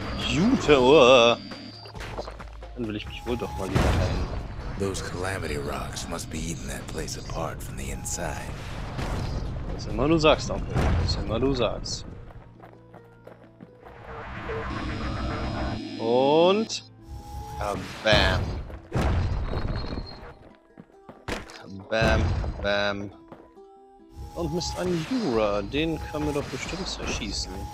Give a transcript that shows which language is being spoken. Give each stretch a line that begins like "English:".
German: Dann will ich mich wohl doch mal lieber heilen.
English: Those calamity rocks must be eating that place apart from the inside.
German: Was immer du sagst, Onkel. Was immer du sagst. und bam. Bam, bam. Und Mist, ein Jura, den können wir doch bestimmt zerschießen.